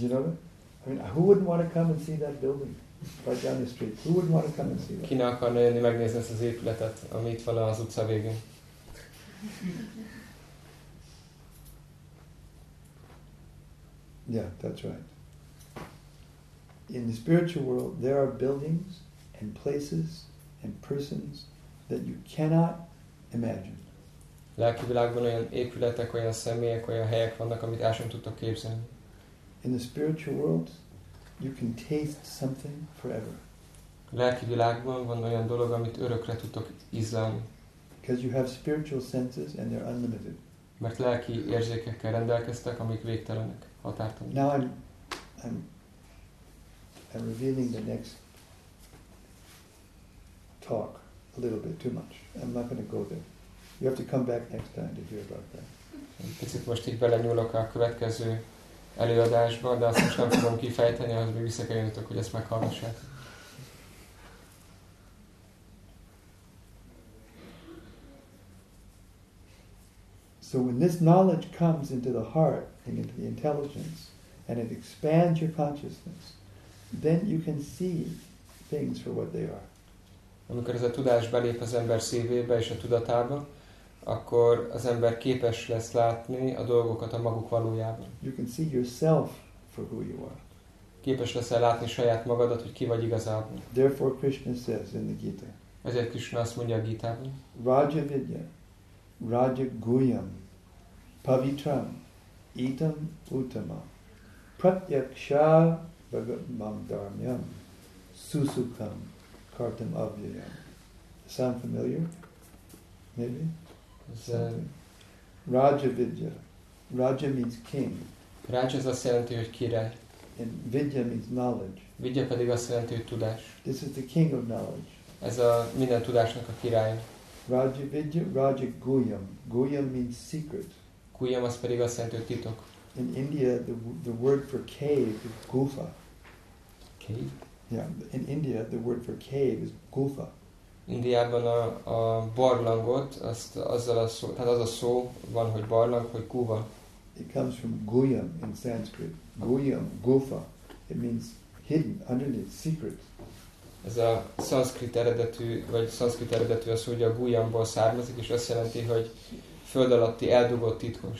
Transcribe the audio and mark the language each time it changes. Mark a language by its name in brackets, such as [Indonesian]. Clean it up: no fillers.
[English] Did you know that? I mean, who wouldn't want to come and see that building right down the street? Who wouldn't want to come and see that? [Hungarian] Ki ne akarna jönni megnézni ezt az épületet, ami itt van az utca végén? [English] Yeah, that's right. In the spiritual world, there are buildings and places and persons that you cannot imagine. [Hungarian] Lelki világban olyan épületek, olyan személyek, olyan helyek vannak, amit el sem tudtok képzelni. [English] In the spiritual world, you can taste something forever. [Hungarian] Lelki világban van olyan dolog, amit örökre tudtok ízlelni. [English] Because you have spiritual senses and they're unlimited. [Hungarian] Mert lelki érzékekkel rendelkeztek, amik végtelenek, határtalanok. [English] Now I'm revealing the next talk a little bit too much. I'm not going to go there. You have to come back next time to hear about that. [Hungarian] Picit most így belenyúlok a következő előadásba, de azt most nem fogom kifejteni, ahhoz még vissza kell jönnötök, hogy ezt meghallgassák. [English] So when this knowledge comes into the heart and into the intelligence and it expands your consciousness, then you can see things for what they are. [Hungarian] Amikor ez a tudás belép az ember szívébe és a tudatába, akkor az ember képes lesz látni a dolgokat a maguk valójában. [English] You can see yourself for who you are. [Hungarian] Képes leszel látni saját magadat, hogy ki vagy igazából. [English] Therefore Krishna says in the Gita. [Hungarian] Ezért Krishna azt mondja a Gitában. [Sanskrit] Raja vidya, raja guyam, pavitram, itam utama, pratyaksha bhagavam dharmyam, susukam, kartam avyayam. [English] Sound familiar? Maybe? Raja vidya. Raja means king. [Hungarian] Raja az azt jelenti, hogy király. [English] And vidya means knowledge. [Hungarian] Vidya pedig azt jelenti, hogy tudás. [English] This is the king of knowledge. [Hungarian] Ez a minden tudásnak a király. [English] Raja vidya, raja guyam. Guyam means secret. [Hungarian] Guyam az pedig azt jelenti, hogy titok. [English] In India, the word for cave is gufa. Cave? Yeah, in India, the word for cave is gufa. [Hungarian] Indiában a barlangot, azt azzal a szó, tehát az a szó van, hogy barlang, hogy guva. [English] It comes from guyam in Sanskrit. Guyam, gufa. It means hidden, underneath, secret. [Hungarian] Ez a szanszkrit eredetű, vagy szanszkrit eredetű az, hogy a guyamból származik, és azt jelenti, hogy föld alatti eldugott titkos.